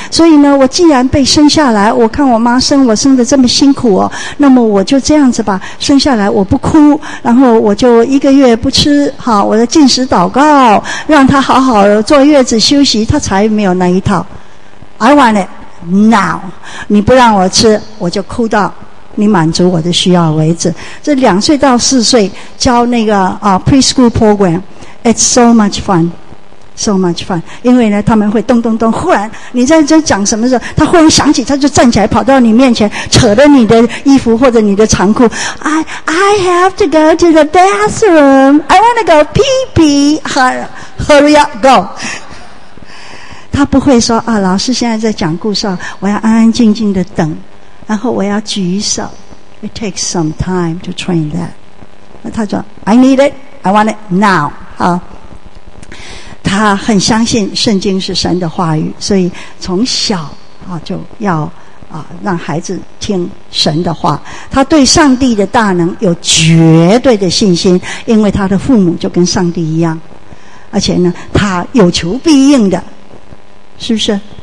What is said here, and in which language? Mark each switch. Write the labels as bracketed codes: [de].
[zh] 所以呢，我既然被生下来，我看我妈生我生得这么辛苦哦，那么我就这样子吧，生下来我不哭，然后我就一个月不吃，好，我的进食。祷告，让他好好坐月子休息，他才没有那一套。 [en] I want it now， [zh] 你不让我吃，我就哭到你满足我的需要为止。这两岁到四岁教那个preschool program， [en] it's so much fun。 So much fun， [zh] 因为呢，他们会咚咚咚，忽然你在这讲什么时候，他忽然想起，他就站起来跑到你面前，扯了你的衣服或者你的长裤。 [en] I have to go to the bathroom. I want to go pee pee. Hurry up, go. [zh] 他不会说啊，老师现在在讲故事，我要安安静静的等，然后我要举手。 [en] It takes some time to train that. [zh] 那他说 [en] ，I need it. I want it now. 好。 [zh] 他很相信圣经是神的话语，所以从小啊就要啊让孩子听神的话。他对上帝的大能有绝对的信心，因为他的父母就跟上帝一样，而且呢他有求必应的，是不是？